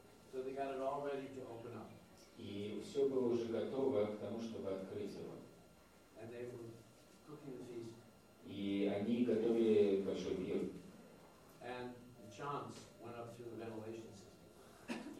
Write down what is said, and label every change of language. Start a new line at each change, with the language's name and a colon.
English: So they got it all ready to open up.
Russian: И все было уже готово к тому, чтобы открыть его.
English: And they were cooking the feast.
Russian: И они готовили большой пир.
English: And the chants went up through the ventilation system.